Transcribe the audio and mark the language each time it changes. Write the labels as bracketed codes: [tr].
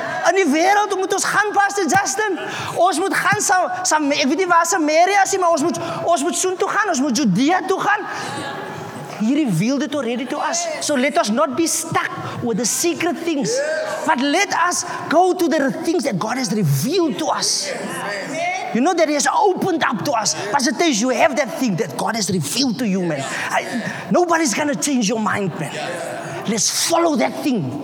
[af] In die wêreld moet ons gaan, Pastor Justin. Ons moet gaan saam, ek weet nie waar Samaria is, maar ons moet soon toe gaan, ons moet Judea toe gaan. [en] He revealed it already to us. So let us not be stuck with the secret things. But let us go to the things that God has revealed to us. You know that he has opened up to us. Pastor Tej, you have that thing that God has revealed to you, man. Nobody's going to change your mind, man. Let's follow that thing.